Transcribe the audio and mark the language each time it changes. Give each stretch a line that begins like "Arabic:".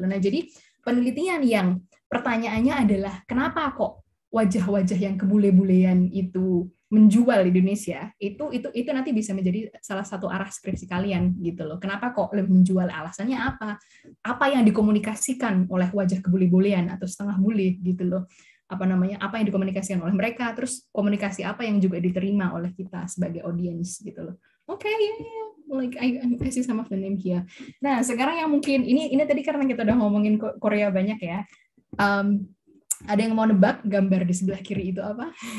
Indonesian: Nah, jadi penelitian yang pertanyaannya adalah, kenapa kok wajah-wajah yang kebule-bulean itu menjual di Indonesia, itu nanti bisa menjadi salah satu arah skripsi kalian gitu loh. Kenapa kok lebih menjual? Alasannya apa? Apa yang dikomunikasikan oleh wajah kebule-bulean atau setengah bule gitu loh? apa namanya, apa yang dikomunikasikan oleh mereka, terus komunikasi apa yang juga diterima oleh kita sebagai audiens gitu loh.
English: Oke, okay, I see some of the name here.
Indonesian: Nah, sekarang yang mungkin ini tadi karena kita udah ngomongin Korea banyak ya. Ada yang mau nebak gambar di sebelah kiri itu apa?